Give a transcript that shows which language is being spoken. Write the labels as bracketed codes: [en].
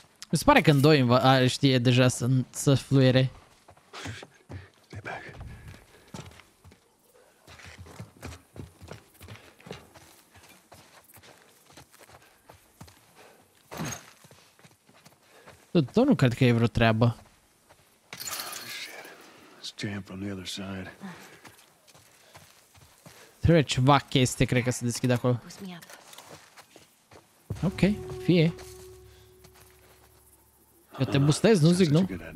[ro] Mi se pare că în doi știe deja să fluiere. Tot nu cred că e vreo treabă. [en] Shit. It's jammed from the other side. [ro] Trebuie ceva chestie, cred că se deschide acolo. Ok, fie. Eu te boostez, nu zic, nu?